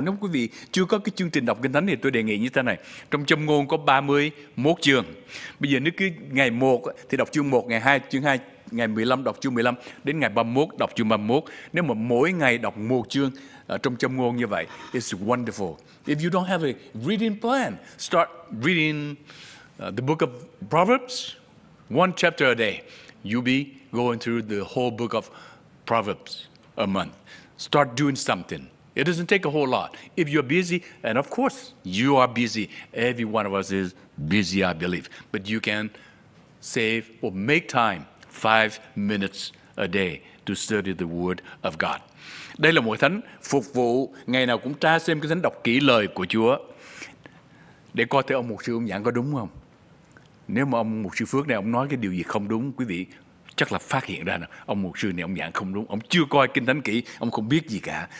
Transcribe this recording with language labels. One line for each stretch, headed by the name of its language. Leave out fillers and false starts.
Vietnamese: Nếu quý vị chưa có cái chương trình đọc kinh thánh thì tôi đề nghị như thế này, trong Châm Ngôn có 31 chương, bây giờ nếu cứ ngày 1 thì đọc chương 1, ngày 2 chương 2, ngày 15 đọc chương 15, đến ngày 31 đọc chương 31. Nếu mà mỗi ngày đọc một chương trong Châm Ngôn như vậy,
English: it's wonderful. If you don't have a reading plan, start reading the book of Proverbs, one chapter a day. You'll be going through the whole book of Proverbs a month. Start doing something. It doesn't take a whole lot. If you're busy, and of course you are busy, every one of us is busy, I believe, but you can save or make time 5 minutes a day to study the word of God.
Vietnamese: Đây là mỗi thánh phục vụ ngày nào cũng tra xem cái thánh, đọc kỹ lời của Chúa để coi thử ông mục sư ông giảng có đúng không. Nếu mà ông mục sư Phước này ông nói cái điều gì không đúng, quý vị chắc là phát hiện ra nè, ông mục sư này ông giảng không đúng, ông chưa coi kinh thánh kỹ, ông không biết gì cả.